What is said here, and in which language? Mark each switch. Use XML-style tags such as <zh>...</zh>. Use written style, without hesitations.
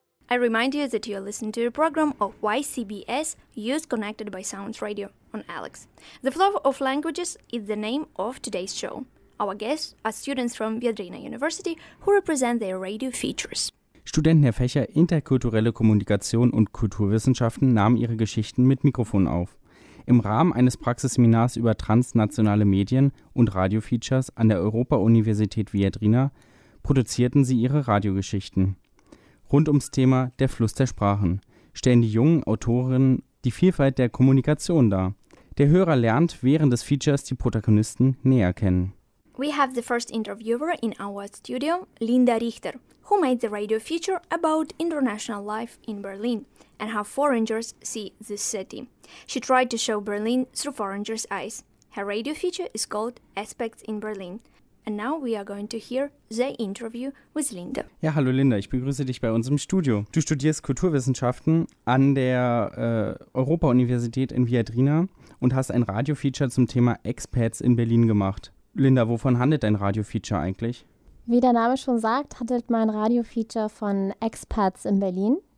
<en>I remind you that you are listening to a program of YCBS Youth Connected by Sounds Radio on Alex. The Flow of Languages is the name of today's show. Our guests are students from Viadrina University who represent their radio features.</en> <de>Studenten der Fächer Interkulturelle Kommunikation und Kulturwissenschaften nahmen ihre Geschichten mit Mikrofon auf. Im Rahmen eines Praxisseminars über transnationale Medien und Radiofeatures an der Europa-Universität Viadrina produzierten sie ihre Radiogeschichten. Rund ums Thema der Fluss der Sprachen stellen die jungen Autorinnen die Vielfalt der Kommunikation dar. Der Hörer lernt während des Features die Protagonisten näher kennen.</de> <en>we have the first interviewer in our studio, Linda Richter, who made the radio feature about international life in Berlin and how foreigners see the city. She tried to show Berlin through foreigners' eyes. Her radio feature is called Aspects in Berlin. And now we are going to hear the interview with Linda.</en> <de>Ja, hallo Linda, ich begrüße dich bei uns im Studio. Du studierst Kulturwissenschaften an der Europa-Universität in Viadrina und hast ein Radiofeature zum Thema Expats in Berlin gemacht. Linda, wovon handelt dein Radiofeature eigentlich? Wie der Name schon sagt, handelt mein Radiofeature von Expats in Berlin.</de>